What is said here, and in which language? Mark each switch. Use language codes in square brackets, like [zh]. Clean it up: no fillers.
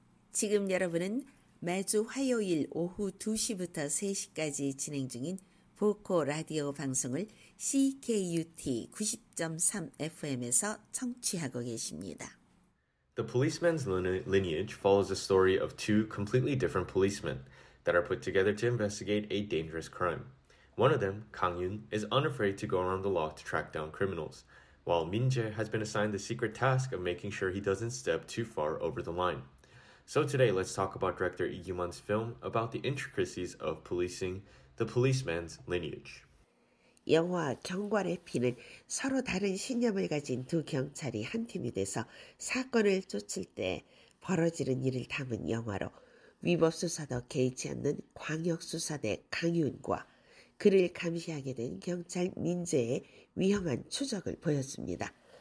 [ko] 지금 여러분은 매주 화요일 오후 2시부터 3시까지 진행 중인 보코 라디오 방송을 CKUT 90.3 FM에서 청취하고 계십니다. [en] The policeman's lineage follows the story of two completely different policemen that are put together to investigate a dangerous crime. One of them, Kang Yun, is unafraid to go around the law to track down criminals, while Min Jae has been assigned the secret task of making sure he doesn't step too far over the line. So today, let's talk about director Lee Kyu-man's film about the intricacies of policing the policeman's lineage. [ko] 영화 경관의 피는 서로 다른 신념을 가진 두 경찰이 한 팀이 돼서 사건을 쫓을 때 벌어지는 일을 담은 영화로 위법 수사도 개의치 않는 광역 수사대 강 윤과 그를 감시하게 된 경찰 민재의 위험한 추적을 보였습니다.